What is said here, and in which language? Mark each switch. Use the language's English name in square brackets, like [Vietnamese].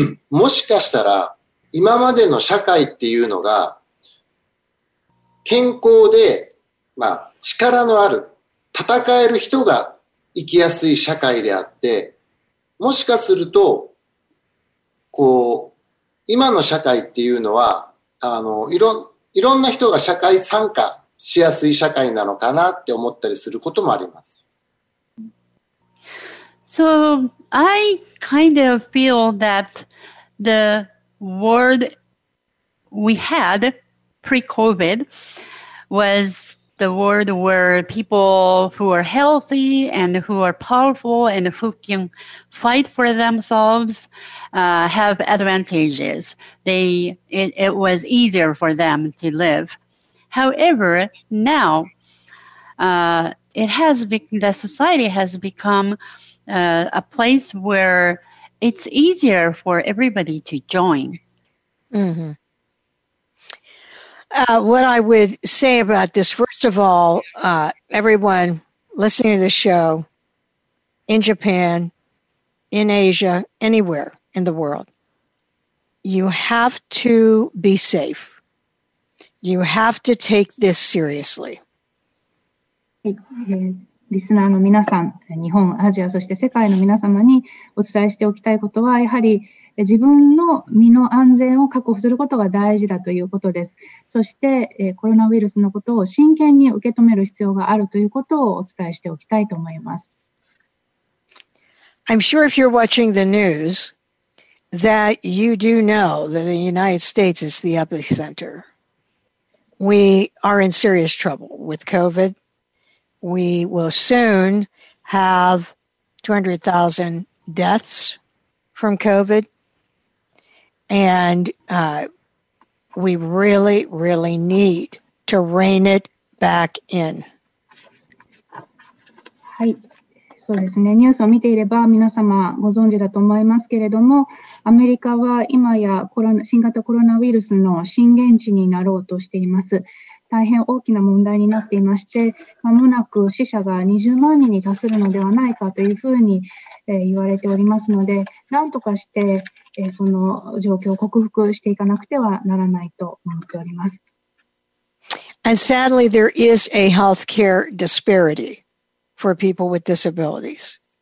[Japanese] もしかしたら今までの社会っていうのが健康で、まあ、力のある戦える人が生きやすい社会であって、もしかするとこう今の社会っていうのはいろんな人が社会参加しやすい社会なのかなって思ったりすることもあります。 [English] So I kind of feel that the world we had pre-COVID was the world where people who are healthy and who are powerful and who can fight for themselves have advantages. It was easier for them to live. However, now the society has become a place where it's easier for everybody to join. What I would say about this, first of all, everyone listening to the show in Japan, in Asia, anywhere in the world, you have to be safe. You have to take this seriously. [Japanese] リスナーの皆さん、日本、アジア、そして世界の皆様にお伝えしておきたいことは、やはり自分の身の安全を確保することが大事だということです。そしてコロナウイルスのことを真剣に受け止める必要があるということをお伝えしておきたいと思います。 [English] I'm sure if you're watching the news that you do know that the United States is the epicenter. We are in serious trouble with COVID. We will soon have 200,000 deaths from COVID. And we really, really need to rein it back in. [Japanese] はい、そうですね。ニュースを見ていれば皆様ご存知だと思いますけれども、アメリカは今や新型コロナウイルスの震源地になろうとしています。大変大きな問題になっていまして、まもなく死者が20万人に達するのではないかというふうに、言われておりますので、なんとかして、その状況を克服していかなくてはならないと思っております。 [English] And sadly, there is a healthcare disparity for people with disabilities.